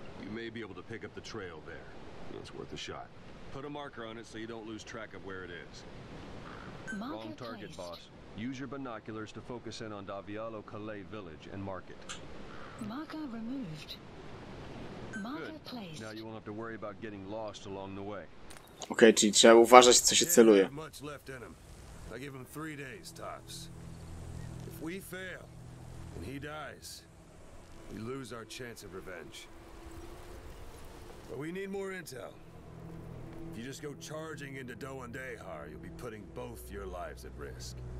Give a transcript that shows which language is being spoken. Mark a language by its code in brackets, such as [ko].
[en] You may be able to pick up the trail there. It's worth a shot. Put a marker on it so you don't lose track of where it is. Marker Wrong target, placed. Boss. Use your binoculars to focus in on Daviolo Calais village and mark it. Marker removed. Marker Good. Placed. Now you won't have to worry about getting lost along the way. [pl] Okay, czyli trzeba uważać, co się celuje. [en] Much left in him. I give him 3 days, tops. If we fail, and he dies, we lose our chance of revenge. But we need more intel. If you just go charging into Dewandehar, you'll be putting both your lives at risk.